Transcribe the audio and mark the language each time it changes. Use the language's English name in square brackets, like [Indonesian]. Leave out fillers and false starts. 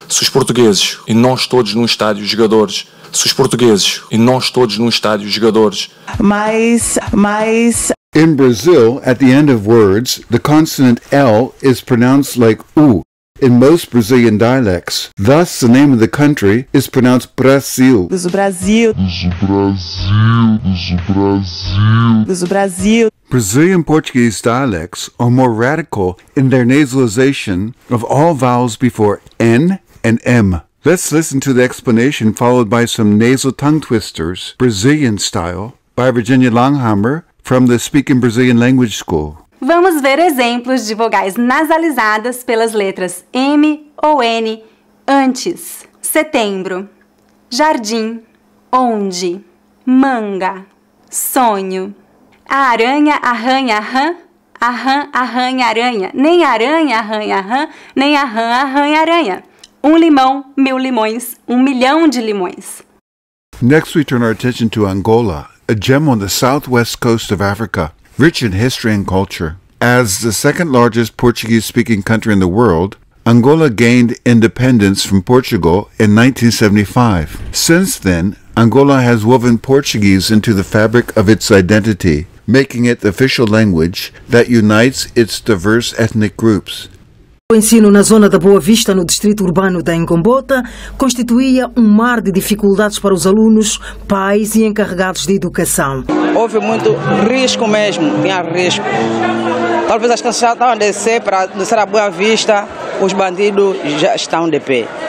[Portuguese] Se os portugueses e nós todos num estádio, jogadores. Se os portugueses e nós todos num estádio, jogadores. Mas... [English] In Brazil, at the end of words, the consonant L is pronounced like U. In most Brazilian dialects, thus the name of the country is pronounced Brasil. [Portuguese] Do Brasil. Do Brasil. Do Brasil. Do Brasil. [English] Brazilian Portuguese dialects are more radical in their nasalization of all vowels before N and M. Let's listen to the explanation followed by some nasal tongue twisters, Brazilian style, by Virginia Langhammer from the Speaking Brazilian Language School. [Portuguese] Vamos ver exemplos de vogais nasalizadas pelas letras M ou N antes. Setembro, jardim, onde, manga, sonho. A aranha arranha rã, a rã arranha aranha. Nem aranha arranha rã, nem a rã arranha aranha. Um limão, mil limões, um milhão de limões. [English] Next we turn our attention to Angola, a gem on the southwest coast of Africa, rich in history and culture. As the second largest Portuguese-speaking country in the world, Angola gained independence from Portugal in 1975. Since then, Angola has woven Portuguese into the fabric of its identity, making it the official language that unites its diverse ethnic groups. [Portuguese] O ensino na zona da Boa Vista, no distrito urbano da Engombota, constituía um mar de dificuldades para os alunos, pais e encarregados de educação. Houve muito risco mesmo, tinha risco. Talvez as crianças já estavam a descer para descer a Boa Vista, os bandidos já estão de pé.